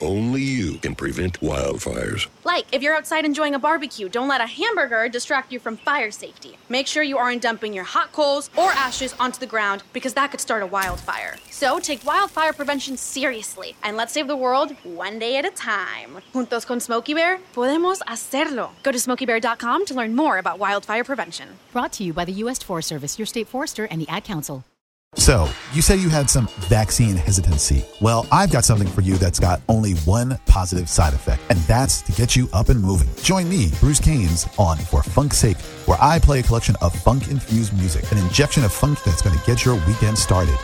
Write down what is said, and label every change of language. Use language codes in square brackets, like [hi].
[en] Only you can prevent wildfires. Like, if you're outside enjoying a barbecue, don't let a hamburger distract you from fire safety. Make sure you aren't dumping your hot coals or ashes onto the ground because that could start a wildfire. So take wildfire prevention seriously and let's save the world one day at a time. [es] Juntos con Smokey Bear, podemos hacerlo. [en] Go to SmokeyBear.com to learn more about wildfire prevention. Brought to you by the U.S. Forest Service, your state forester, and the Ad Council. So, you say you had some vaccine hesitancy. Well, I've got something for you that's got only one positive side effect, and that's to get you up and moving. Join me, Bruce Kanes, on For Funk's Sake, where I play a collection of funk-infused music, an injection of funk that's going to get your weekend started.